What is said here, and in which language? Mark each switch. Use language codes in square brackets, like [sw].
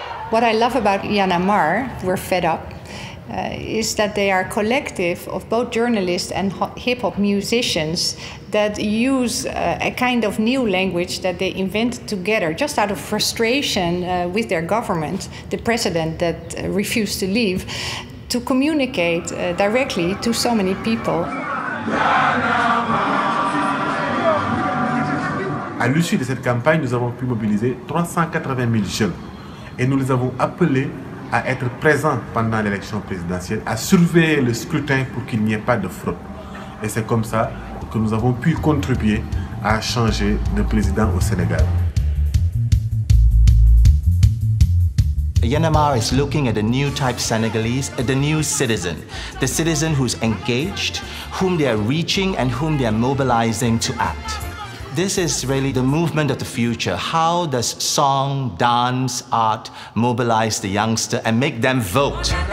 [en] What I love about Jan A Marre, We're Fed Up, is that they are a collective of both journalists and hip-hop musicians that use a kind of new language that they invent together just out of frustration with their government, the president that refused to leave, to communicate directly to so many people. Jan A Marre. [fr] À l'issue de cette campagne, nous avons pu mobiliser 380 000 jeunes et nous les avons appelés à être présents pendant l'élection présidentielle, à surveiller le scrutin pour qu'il n'y ait pas de fraude. Et c'est comme ça que nous avons pu contribuer à changer de président au Sénégal. [en] Jan A Marre is looking at a new type Senegalese, the new citizen, the citizen who's engaged, whom they are reaching and whom they are mobilizing to act. This is really the movement of the future. How does song, dance, art mobilize the youngster and make them vote?